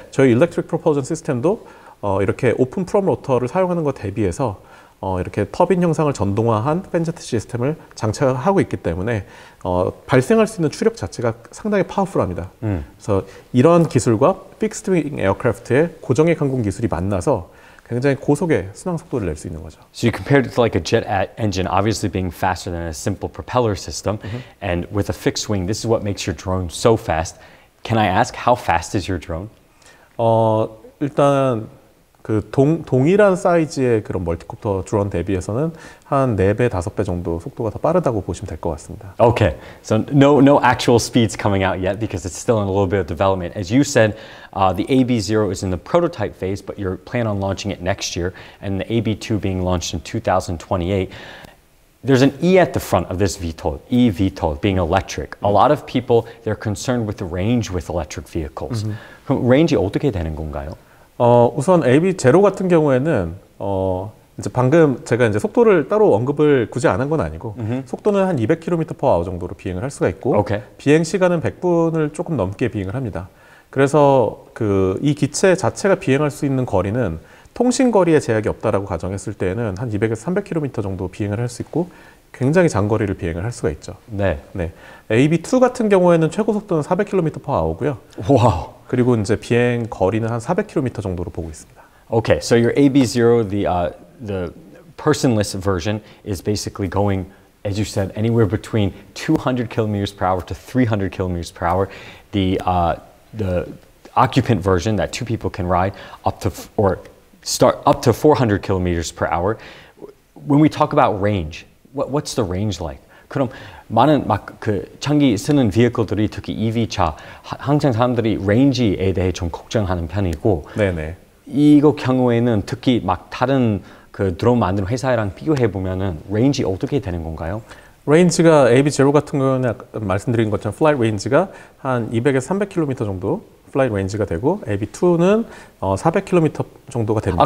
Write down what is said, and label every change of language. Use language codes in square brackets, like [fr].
[ko] 저희 일렉트릭 프로포전 시스템도 이렇게 오픈 프롬 로터를 사용하는 것 대비해서 이렇게 터빈 형상을 전동화한 팬제트 시스템을 장착하고 있기 때문에 발생할 수 있는 추력 자체가 상당히 파워풀합니다. 그래서 이런 기술과 픽스드 윙 에어크래프트의 고정액 항공 기술이 만나서 굉장히 고속의 순항 속도를 낼수 있는 거죠. [en] So you compared it to like a jet engine, obviously being faster than a simple propeller system, and with a fixed wing, this is what makes your drone so fast. Can I ask how fast is your drone? [ko] 일단 그 동일한 사이즈의 그런 멀티콥터 드론 대비해서는 한 4배, 5배 정도 속도가 더 빠르다고 보시면 될것 같습니다. [en] Okay, so no actual speeds coming out yet because it's still in a little bit of development. As you said, the AB0 is in the prototype phase, but you're planning on launching it next year, and the AB2 being launched in 2028. There's an E at the front of this VTOL, eVTOL, being electric. A lot of people, they're concerned with the range with electric vehicles. [ko] 그럼 range이 어떻게 되는 건가요? 우선 AB0 같은 경우에는 이제 방금 제가 이제 속도를 따로 언급을 굳이 안한건 아니고 속도는 한 200km per hour 정도로 비행을 할 수가 있고 비행 시간은 100분을 조금 넘게 비행을 합니다. 그래서 그이 기체 자체가 비행할 수 있는 거리는 통신 거리에 제약이 없다라고 가정했을 때에는 한 200에서 300km 정도 비행을 할수 있고 굉장히 장거리를 비행을 할 수가 있죠. 네. AB2 같은 경우에는 최고 속도는 400km per hour고요. 와우. 그리고 이제 비행 거리는 한 400km 정도로 보고 있습니다. [en] Okay, so your AB0, the personless version, is basically going, as you said, anywhere between 200 kilometers per hour to 300 kilometers per hour. The occupant version that two people can ride up to or start up to 400 kilometers per hour. When we talk about range, what's the range like? [ko] 그럼 많은 막그 장기 쓰는 비행기들이 특히 EV차 항상 사람들이 range에 대해 좀 걱정하는 편이고. 네네. 이거 경우에는 특히 막 다른 그 드론 만드는 회사랑 비교해 보면은 range 어떻게 되는 건가요? range가 AB0 같은 경우는 말씀드린 것처럼 flight range가 한 200에서 300km 정도 flight range가 되고 AB2는 400km 정도가 됩니다.